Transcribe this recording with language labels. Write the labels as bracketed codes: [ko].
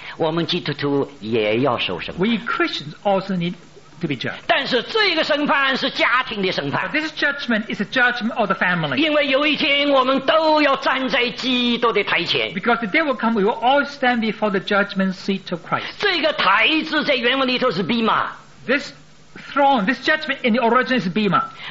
[zh] 我们基督徒也要受审判 [en] We Christians also need to be judged [zh] 但是这个审判是家庭的审判 [en] But this judgment is a judgment of the family [zh] 因为有一天我们都要站在基督的台前 [en] Because the day will come we will all stand before the judgment seat of Christ [zh] 这个台子在原文里头是 Bima [en] This throne, this judgment in the origin is Bima